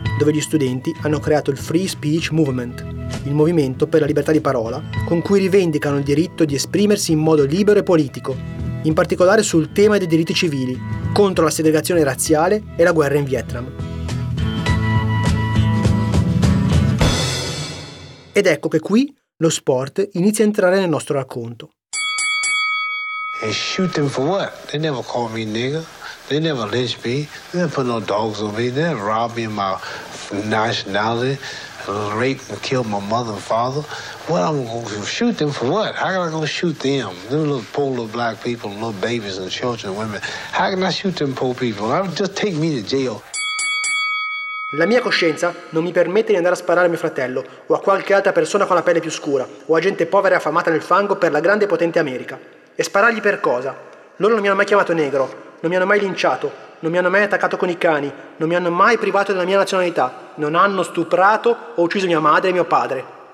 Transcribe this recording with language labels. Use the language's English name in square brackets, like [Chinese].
[Italian] dove gli studenti hanno creato il Free Speech Movement, il movimento per la libertà di parola, con cui rivendicano il diritto di esprimersi in modo libero e politico, in particolare sul tema dei diritti civili, contro la segregazione razziale e la guerra in Vietnam. Ed ecco che qui lo sport inizia a entrare nel nostro racconto. [English] And shoot them for what? They never called me nigger. They never lynched me. They never put no dogs on me. They never robbed me of my nationality. Raped and killed my mother and father. What I'm going to shoot them for what? How can I go shoot them? Them little poor little black people, little babies and children and women. How can I shoot them poor people? Just take me to jail. [Italian] La mia coscienza non mi permette di andare a sparare a mio fratello o a qualche altra persona con la pelle più scura o a gente povera e affamata nel fango per la grande e potente America. E sparargli per cosa? Loro non mi hanno mai chiamato negro, non mi hanno mai linciato, non mi hanno mai attaccato con i cani, non mi hanno mai privato della mia nazionalità, non hanno stuprato o ucciso mia madre e mio padre.